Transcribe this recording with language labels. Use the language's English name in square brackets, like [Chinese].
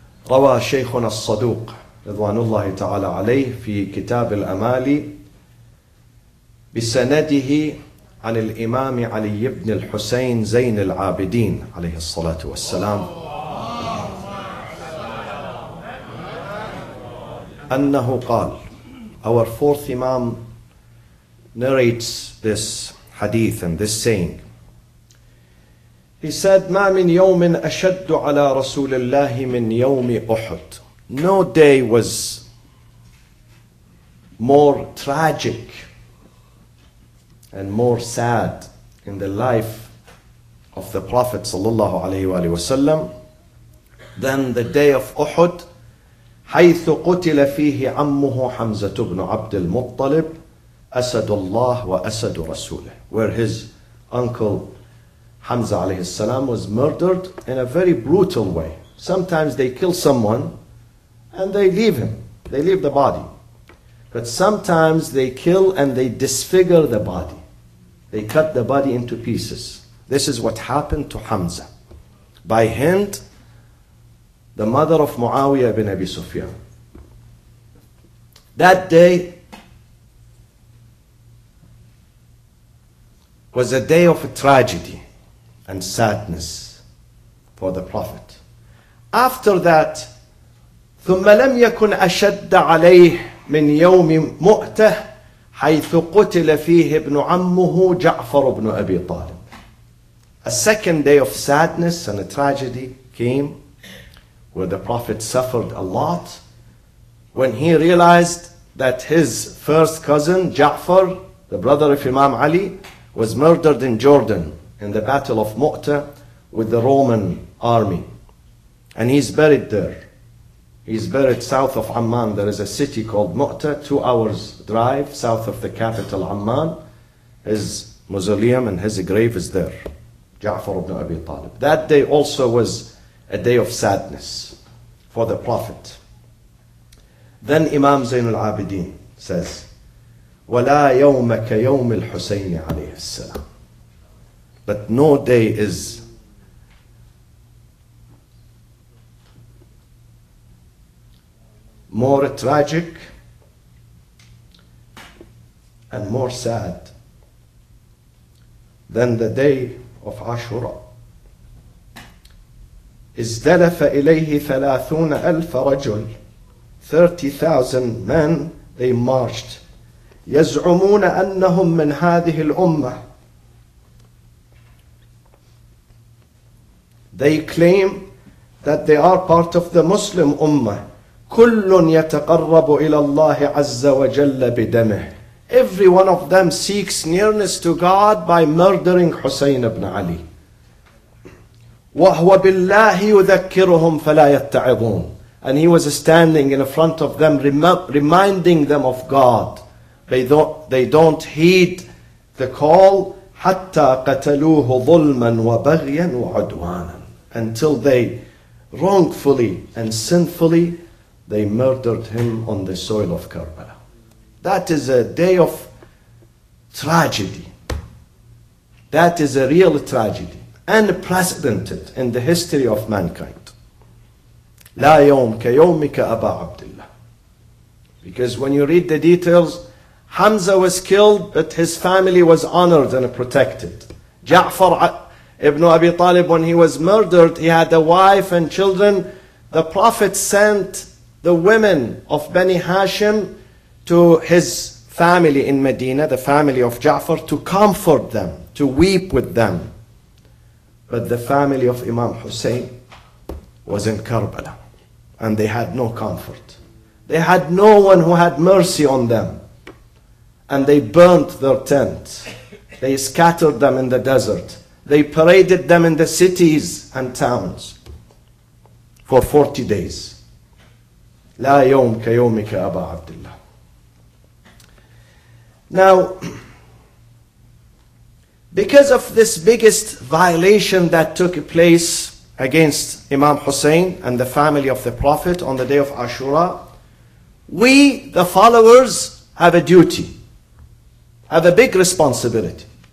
[Arabic] روى شيخنا الصدوق رضوان الله تعالى عليه في كتاب الأمالي بسنده عن الإمام علي بن الحسين زين العابدين عليه الصلاة والسلام أنه قال. [English] Our fourth Imam narrates this hadith and this saying. He said, [Arabic] ما من يوم أشد على رسول الله من يوم أحد. [English] No day was more tragic and more sad in the life of the Prophet sallallahu alayhi wa sallam than the day of Uhud, [Arabic] حيث قتل فيه عمه حمزة بن عبد المطلب أسد الله وأسد رسوله, [English] where his uncle Hamza alayhi salam was murdered in a very brutal way. Sometimes they kill someone and they leave him, they leave the body. But sometimes they kill and they disfigure the body. They cut the body into pieces. This is what happened to Hamza. By hint, the mother of Muawiyah ibn Abi Sufyan. That day was a day of a tragedy and sadness for the Prophet. After that, [Arabic] ثُمَّ لَمْ يَكُنْ أَشَدَّ عَلَيْهِ مِنْ يَوْمِ مُؤْتَهِ حَيْثُ قُتِلَ فِيهِ ابْنُ عَمُّهُ جَعْفَرُ ابْنُ أَبِي طَالِبٍ. [English] A second day of sadness and a tragedy came where the Prophet suffered a lot when he realized that his first cousin Ja'far, the brother of Imam Ali, was murdered in Jordan in the battle of Mu'tah with the Roman army. And he's buried there. He's buried south of Amman. There is a city called Mu'tah, 2 hours drive south of the capital Amman. His mausoleum and his grave is there. Ja'far ibn Abi Talib. That day also was a day of sadness for the Prophet. Then Imam Zain al-Abidin says, [Arabic] وَلَا يَوْمَ كَيَوْمِ الْحُسَيْنِ عَلَيْهِ السَّلَامِ. [English] But no day is more tragic and more sad than the day of Ashura. [Arabic] ازدلف إليه 30,000 رجل. [English] 30,000 men, they marched. [Arabic] يزعمون أنهم من هذه الأمة. [English] They claim that they are part of the Muslim Ummah. [Arabic] كل يتقرب إلى الله عز وجل بدمه. [English] Every one of them seeks nearness to God by murdering Hussein ibn Ali. [Arabic] وهو بالله يذكرهم فلا يتعظون. [English] And he was standing in front of them, reminding them of God. They don't heed the call. [Arabic] حتى قتلوه ظلما وبغيا وعدوانا. [English] Until they wrongfully and sinfully they murdered him on the soil of Karbala. That is a day of tragedy. That is a real tragedy. Unprecedented in the history of mankind. [Arabic] لا يوم كيومك أبا عبد الله. [English] Because when you read the details, Hamza was killed, but his family was honored and protected. Ja'far ibn Abi Talib, when he was murdered, he had a wife and children. The Prophet sent the women of Bani Hashim to his family in Medina, the family of Ja'far, to comfort them, to weep with them. But the family of Imam Hussein was in Karbala, and they had no comfort. They had no one who had mercy on them, and they burnt their tent. They scattered them in the desert. They paraded them in the cities and towns for 40 days. [Arabic] لا يوم كيومك أبا عبد الله. [English] Now, because of this biggest violation that took place against Imam Hussein and the family of the Prophet on the day of Ashura, we, the followers, have a duty, have a big responsibility.